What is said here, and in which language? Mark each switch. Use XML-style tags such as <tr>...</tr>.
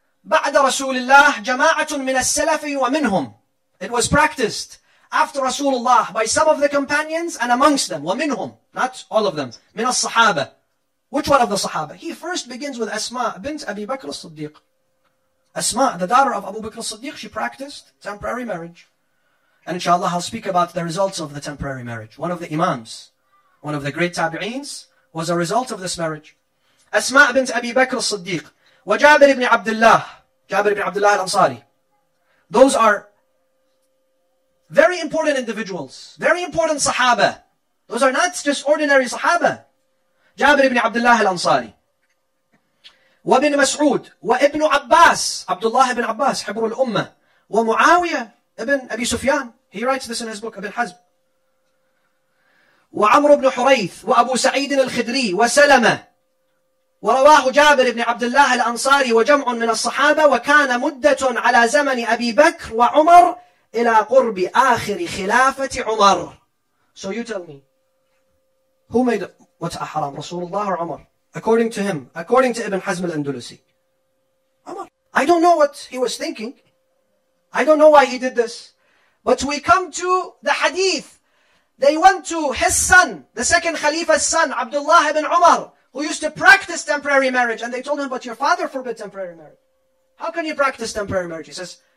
<ar>بعد رسول الله جماعة من السلف ومنهم.</ar> <en>It was practiced after Rasulullah by some of the companions and amongst them. ومنهم, not all of them.</en> <ar>من الصحابة.</ar> <en>Which one of the صحابة? He first begins with Asma bint Abi Bakr al-Siddiq. Asma, the daughter of Abu Bakr al-Siddiq, she practiced temporary marriage. And inshallah, I'll speak about the results of the temporary marriage. One of the imams, one of the great tabi'eens, was a result of this marriage. Asma bint Abi Bakr al-Siddiq. وَجَابِرِ ibn Abdullah, Jabir ibn Abdullah al-Ansari. Those are very important individuals, very important sahaba. Those are not just ordinary sahaba. Jabir ibn Abdullah al-Ansari.</en> <ar>وَبِنْ مَسْعُودِ وَإِبْنُ عَبَّاسِ Abdullah ibn Abbas, حِبْرُ الْأُمَّةِ وَمُعَاوِيَةِ ibn Abi Sufyan.</ar> <en>He writes this in his book, Ibn Hazm.</en> <ar>وَعَمْرُ ibn حُرَيْثِ وَأَبُو سَعِيدٍ الْخِدْرِي وَسَلَمَةِ ورواه جابر بن عبد الله الأنصاري وجمع من الصحابة وكان مدة على زمن أبي بكر وعمر إلى قرب آخر خلافة عمر.</ar> <en>So you tell me, who made what's a haram? رسول الله or عمر? According to him, according to Ibn Hazm al-Andalusi, عمر. I don't know what he was thinking. I don't know why he did this. But we come to the hadith. They went to his son, the second Khalifa's son, Abdullah ibn Umar, who used to practice temporary marriage. And they told him, but your father forbid temporary marriage. How can you practice temporary marriage? He says,</en>